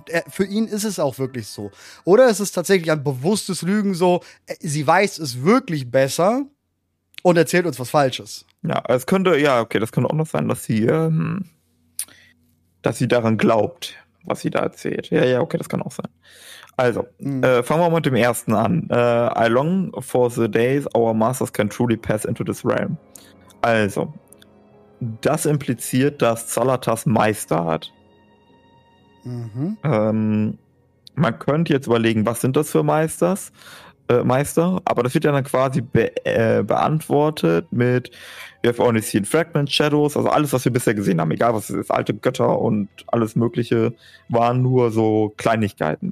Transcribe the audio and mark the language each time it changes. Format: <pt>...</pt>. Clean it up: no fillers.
<de>Und für ihn ist es auch wirklich so. Oder ist es tatsächlich ein bewusstes Lügen so, sie weiß es wirklich besser und erzählt uns was Falsches. Ja, es könnte, ja, okay, das könnte auch noch sein, dass sie daran glaubt, was sie da erzählt. Ja, ja, okay, das kann auch sein. Also, fangen wir mal mit dem ersten an.</de> <en>I long for the days our masters can truly pass into this realm.</en> <de>Also, das impliziert, dass Xalatas Meister hat. Man könnte jetzt überlegen, was sind das für Meister? Aber das wird ja dann quasi beantwortet mit</de> <en>we have only seen fragments, shadows,</en> <de>also alles, was wir bisher gesehen haben, egal was es ist, alte Götter und alles mögliche, waren nur so Kleinigkeiten.</de>